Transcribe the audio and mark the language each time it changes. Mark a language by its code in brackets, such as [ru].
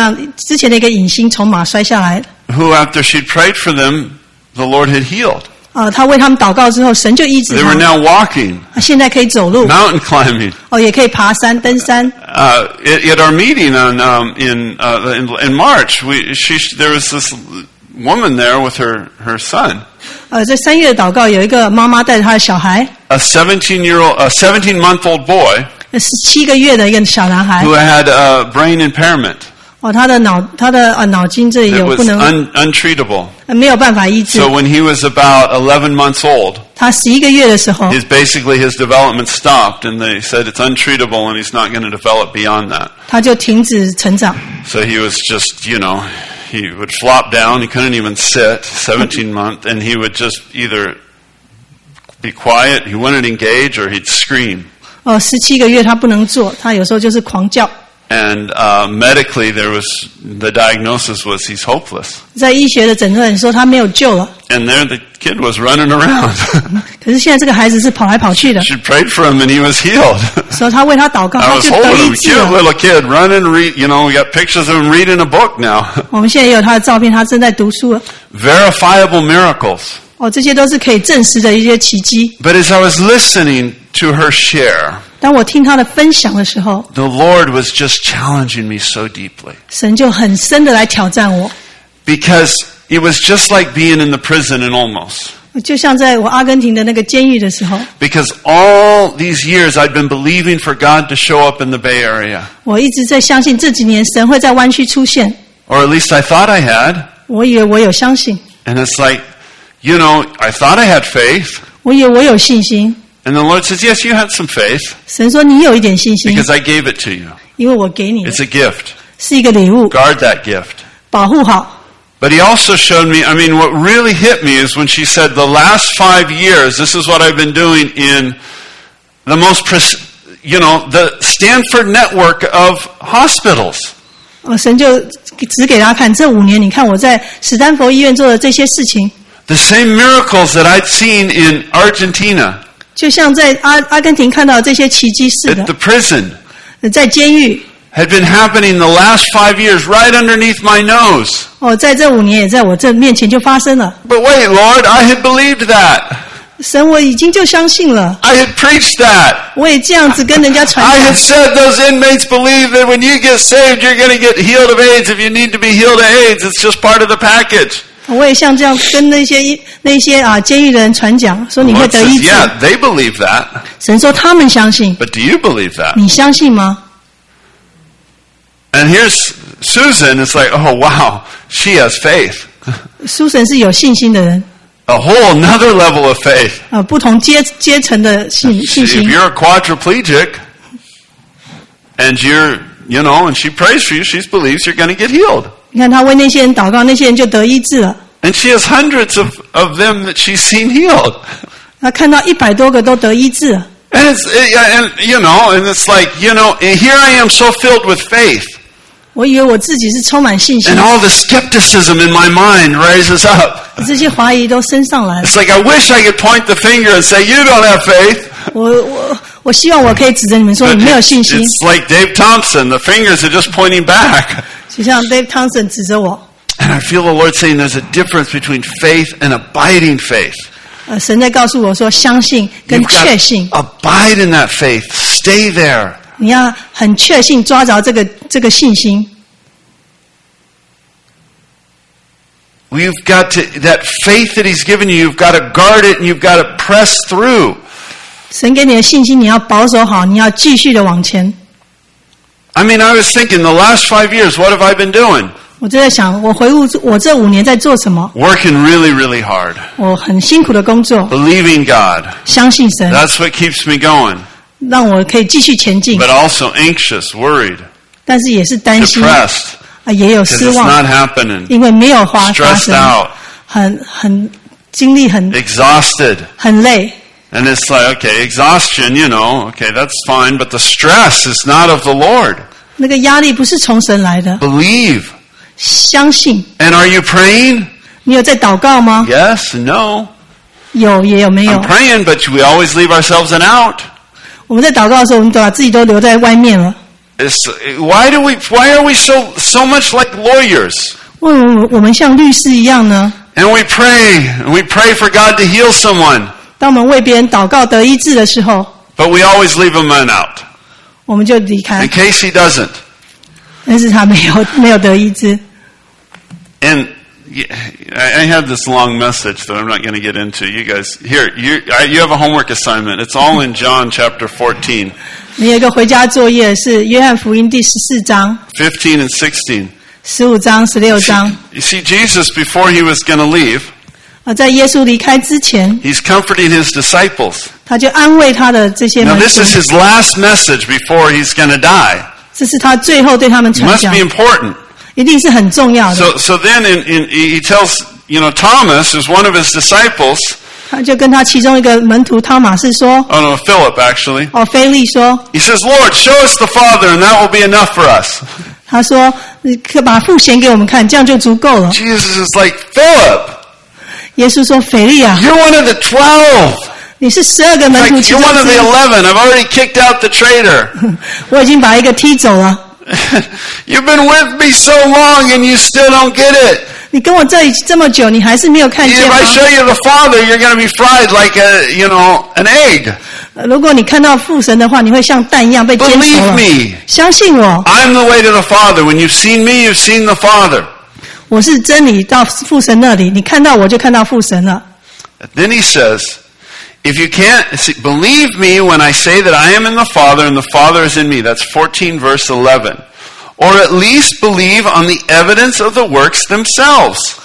[zh] 所以有一个人就是让之前的一个影星从马摔下来。 [en] Who after she'd prayed for them, the Lord had healed. [zh] 他为他们祷告之后，神就医治他。 [en] They were now walking. [zh] 现在可以走路。 [en] Mountain climbing. [zh] 也可以爬山登山。 [en] At our meeting on in March, there was this woman there with her son. [zh] 在三月的祷告有一个妈妈带着她的小孩 [en] a 17-month-old boy [zh] 17个月的一个小男孩 [en] who had a brain impairment [zh] 他的脑筋这里有不能 [en] it was untreatable [zh] 没有办法医治 [en] so when he was about 11 months old [zh] 他11个月的时候 [en] basically his development stopped and they said it's untreatable and he's not going to develop beyond that [zh] 他就停止成长 [en] so he was just, you know He would flop down, he couldn't even sit, 17-month, and he would just either be quiet, he wouldn't engage, or he'd scream. [zh] 17个月他不能坐,他有时候就是狂叫。 [en] And medically, the diagnosis was he's hopeless. [zh] 在医学的诊断说他没有救了。 [en] And there the kid was running around. [zh] 可是现在这个孩子是跑来跑去的。 [en] She prayed for him and he was healed. [zh] 所以他为他祷告, [en] I was holding him, cute little kid, running, you know, we got pictures of him reading a book now. [zh] 我们现在也有他的照片, 他正在读书了。 [en] Verifiable miracles. [zh] 这些都是可以证实的一些奇迹。 [en] But as I was listening to her share, [zh] 当我听她的分享的时候 [en] ，The Lord was just challenging me so deeply. [zh] 神就很深的来挑战我。 [en] Because it was just like being in the prison and almost. [zh] 就像在我阿根廷的那个监狱的时候 [en] Because all these years I'd been believing for God to show up in the Bay Area. [zh] 我一直在相信这几年神会在湾区出现 [en] Or at least I thought I had. [zh] 我以为我有相信 [en] And it's like, you know, I thought I had faith. [zh] 我以为我有信心 [en] And the Lord says, yes, you had some faith. [zh] 神说你有一点信心 [en] Because I gave it to you. [zh] 因为我给你 [en] It's a gift. [zh] 是一个礼物 [en] Guard that gift. [zh] 保护好 [en] But he also showed me, I mean, what really hit me is when she said, the last 5 years, this is what I've been doing in the most, you know, the Stanford network of hospitals. [zh] 神就指给他看这五年你看我在史丹佛医院做的这些事情。 [en] The same miracles that I'd seen in Argentina. [zh] 就像在阿根廷看到这些奇迹似的。 [en] At the prison. [zh] 在监狱。 [en] Had been happening the last 5 years right underneath my nose. [zh] 在这五年也在我这面前就发生了。 [en] But wait, Lord, I had believed that. [zh] 神，我已经就相信了。 [en] I had preached that. [zh] 我也这样子跟人家传讲。 [en] I had said those inmates believe that when you get saved, you're going to get healed of AIDS. If you need to be healed of AIDS, it's just part of the package. [zh] 我也像这样跟那些啊监狱的人传讲，说你会得医治。 [en] Yeah, they believe that. [zh] 神说他们相信。 [en] But do you believe that? [zh] 你相信吗？ [en] And here's Susan, it's like, oh wow, she has faith. [zh] Susan 是有信心的人。 [en] A whole another level of faith. [zh] 不同阶层的信心。 [en] If you're a quadriplegic, and you're, you know, and she prays for you, she believes you're going to get healed. [zh] 你看她为那些人祷告，那些人就得医治了。 [en] And she has hundreds of them that she's seen healed. [zh] 她看到一百多个都得医治了。 [en] And it's like, and here I am so filled with faith. [zh] 我以为我自己是充满信心。 [en] And all the skepticism in my mind rises up. [zh] 这些怀疑都升上来。 [en] It's like I wish I could point the finger and say, you don't have faith. [zh] 我希望我可以指着你们说你没有信心。 [en] It's like Dave Thompson, the fingers are just pointing back. [zh] 就像 Dave Thompson 指着我。 [en] And I feel the Lord saying there's a difference between faith and abiding faith. [zh] 神在告诉我说相信跟确信 [en] abide in that faith, stay there. [zh] 你要很确信抓着这个信心。 [en] We've got to, that faith that he's given you, you've got to guard it and you've got to press through. [zh] 神给你的信心你要保守好你要继续的往前。 [en] I mean, I was thinking, the last 5 years, what have I been doing? [zh] 我就在想，我回顾我这五年在做什么。 [en] Working really, really hard. [zh] 我很辛苦的工作。 [en] Believing God. [zh] 相信神。 [en] That's what keeps me going. [zh] 让我可以继续前进。 [en] But also anxious, worried. [zh] 但是也是担心。 [en] Depressed. [zh] 也有失望。 [en] Because it's not happening. [zh] 因为没有发生。 [en] Stressed out. [zh] 很精力很。 [en] Exhausted. [zh] 很累。 [en] And it's like, okay, exhaustion, you know, okay, that's fine, but the stress is not of the Lord. [zh] 那个压力不是从神来的。 [en] Believe. [zh] 相信。 [en] And are you praying? [zh] 你有在祷告吗? [en] Yes, no. [zh] 有也有没有? [en] I'm praying, but we always leave ourselves an out. [zh] 我们在祷告的时候，我们都把自己都留在外面了。 [en] It's, why do we, why are we so, so much like lawyers? [zh] 我们像律师一样呢? [en] And we pray, and we pray for God to heal someone. [zh] 当我们为别人祷告得医治的时候。 [en] But we always leave a man out. [zh] 我们就离开。 [en] In case he doesn't. [zh] 但是他没有得医治。 [en] And I have this long message that I'm not going to get into. You guys, here, you have a homework assignment. It's all in John chapter 14. [zh] 你有一个回家作业是约翰福音第十四章。 [en] 15 and 16. [zh] 十五章十六章。 [en] You see, Jesus before he was going to leave. [zh] 在耶稣离开之前。 [en] He's comforting his disciples. [zh] 他就安慰他的这些门徒。 [en] Now this is his last message before he's going to die. [zh] 这是他最后对他们传讲。 [en] Must be important. [zh] 一定是很重要的。 [en] So then in he tells, you know, Thomas is one of his disciples. [zh] 他就跟他其中一个门徒汤马士说。 [en] Oh no, Philip actually. [zh] 哦，腓力说。 [en] He says, Lord, show us the Father, and that will be enough for us. [zh] 他说，你把父显给我们看，这样就足够了。 [en] Jesus is like Philip. [zh] 耶稣说，腓力啊。 [en] You're one of the 12. [zh] 你是十二个门徒其中。 [en] You're one of the 11. I've already kicked out the traitor. [zh] 我已经把一个踢走了。 [en] You've been with me so long and you still don't get it. If I show you the Father, you're going to be fried like a, you know, an egg. [zh] 如果你看到父神的话，你会像蛋一样被煎熟了。 [en] Believe me. [zh] 相信我。 [en] I'm the way to the Father. When you've seen me, you've seen the Father. [zh] 我是真理到父神那里，你看到我就看到父神了。 [en] Then he says, if you can't, see, believe me when I say that I am in the Father and the Father is in me. That's 14 verse 11. Or at least believe on the evidence of the works themselves.